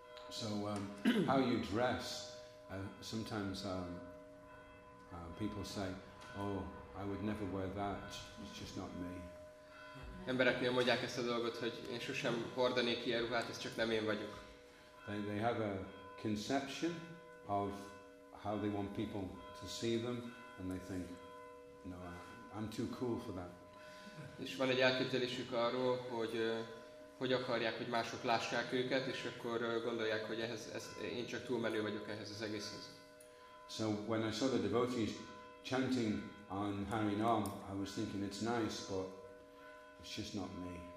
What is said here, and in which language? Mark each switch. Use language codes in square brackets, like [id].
[en] So how you dress, sometimes people say, oh, I would never wear that, it's just not me. [hu] Emberek néha mondják ezt a dolgot, hogy én sosem hordanék ilyen ruhát, ez csak nem én vagyok. [en] They have a conception of how they want people to see them, and they think, no, I'm too cool for that. [hu] És van egy elképzelésük arról, hogy hogy akarják, hogy mások lássák őket, és akkor gondolják, hogy ez én csak túlmenő vagyok ehhez az egészhez. [en] So when I saw the devotees chanting on Harinam, I was thinking it's nice, but it's just not me.